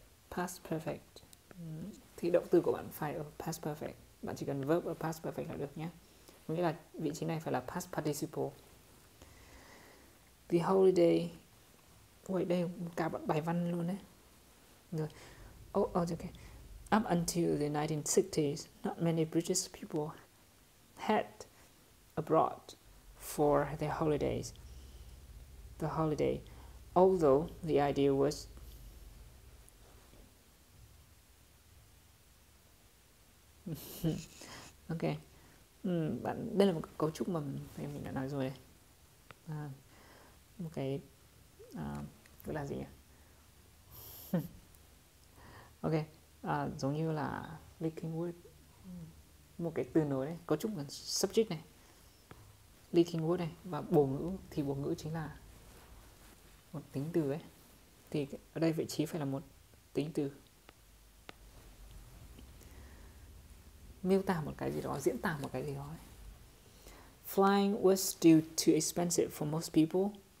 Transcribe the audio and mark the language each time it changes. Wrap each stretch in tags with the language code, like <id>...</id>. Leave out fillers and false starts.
<en>Past perfect.</en> <vi>Thì động từ của bạn phải ở past perfect. Bạn chỉ cần verb ở past perfect là được nhé. Nghĩa là vị trí này phải là past participle.</vi> <en>The holiday.</en> <vi>Wait, đây cả bài văn luôn đấy.</vi> <en>Oh, okay. Up until the 1960s, not many British people had abroad for their holidays. The holiday, although the idea was okay.</en> <vi>Bạn đây là một cấu trúc mà mình đã nói rồi. Một cái gọi là gì nhỉ? Ok, giống như là linking word, một cái từ nối đấy, cấu trúc là subject này, linking word này, và bổ ngữ, thì bổ ngữ chính là một tính từ ấy. Thì ở đây vị trí phải là một tính từ. Miêu tả một cái gì đó, diễn tả một cái gì đó ấy.</vi> <en>Flying was still too expensive for most people.</en>